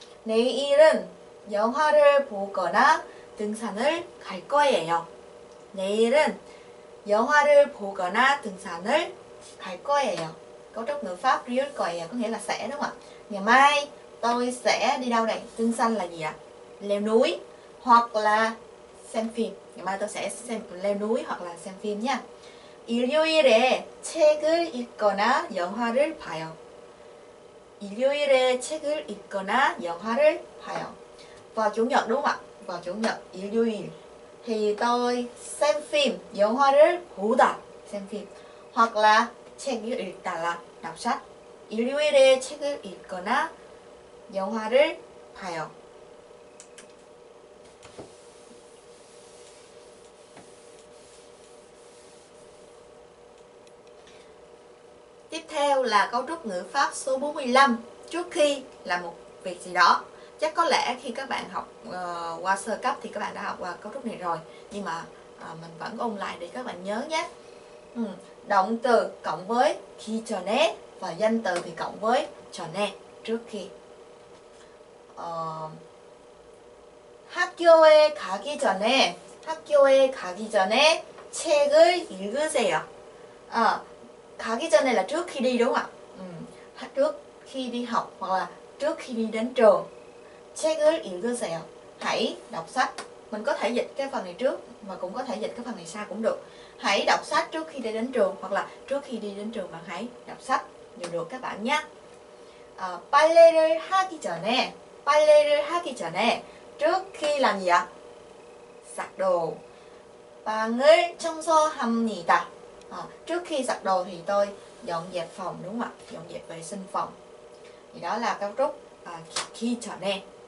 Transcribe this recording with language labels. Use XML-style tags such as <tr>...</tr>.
<ko>내일은 영화를 보거나 등산을 갈 거예요. 내일은 영화를 보거나 등산을 갈 거예요.</ko> <vi>Câu trúc ngữ pháp</vi> <ko>리을 거예요</ko> <vi>có nghĩa là sẽ đúng không ạ? Ngày mai tôi sẽ đi đâu đây? 등산 là gì ạ? Leo núi hoặc là xem phim. Ngày mai tôi sẽ xem leo núi hoặc là xem phim nha.</vi> <ko>일요일에 책을 읽거나 영화를 봐요. 일요일에 책을 읽거나 영화를 봐요.</ko> <vi>Vào chủ nhật đúng không ạ? Vào chủ nhật 일요일 thì tôi xem phim,</vi> <ko>영화를 보다</ko> <vi>xem phim hoặc là</vi> <ko>책을 읽다</ko> <vi>là đọc sách.</vi> <ko>일요일에 책을 읽거나 영화를 봐요.</ko> <vi>Tiếp theo là cấu trúc ngữ pháp số 45. Trước khi làm một việc gì đó Chắc có lẽ khi các bạn học qua sơ cấp thì các bạn đã học qua cấu trúc này rồi, nhưng mà mình vẫn ôn lại để các bạn nhớ nhé. Động từ cộng với khi cho né, và danh từ thì cộng với cho né trước khi.</vi> <ko>학교에 가기 전에 학교에 가기 전에 책을 읽으세요. 아, 가기 전에</ko> <vi>là trước khi đi đúng không ạ? Trước khi đi học hoặc là trước khi đi đến trường.</vi> <ko>책을 읽으세요.</ko> <vi>Hãy đọc sách. Mình có thể dịch cái phần này trước mà cũng có thể dịch cái phần này sau cũng được. Hãy đọc sách trước khi đi đến trường, hoặc là trước khi đi đến trường bạn hãy đọc sách. Đều được các bạn nhé.</vi> <ko>빨래를 하기 전에 빨래를 하기 전에</ko> <vi>trước khi làm gì ạ? Giặt đồ.</vi> <ko>방을 청소합니다.</ko> <vi>Trước khi giặt đồ thì tôi dọn dẹp phòng đúng không ạ? Dọn dẹp vệ sinh phòng. Thì đó là cấu trúc khi trở nên.</vi>